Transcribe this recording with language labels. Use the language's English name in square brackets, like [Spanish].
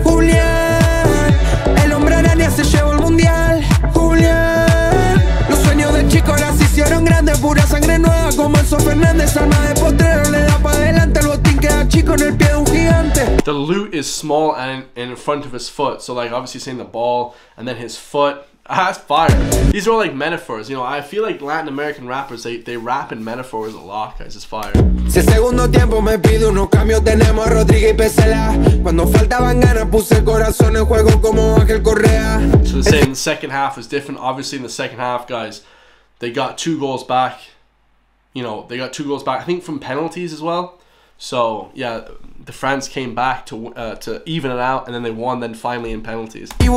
[English] The loot is small and in front of his foot. So like obviously saying the ball and then his foot. That's fire. These are all like metaphors. You know, I feel like Latin American rappers, they rap in metaphors a lot, guys. It's fire. [Spanish] Si el segundo tiempo me pide unos cambios, tenemos a Rodríguez y Pesela. Cuando faltaban ganas, puse el corazón en juego como Ángel Correa. [English] So they say in the second half is different. Obviously, in the second half, guys, they got two goals back. You know, they got two goals back, I think from penalties as well. So, yeah, the France came back to even it out, and then they won then finally in penalties.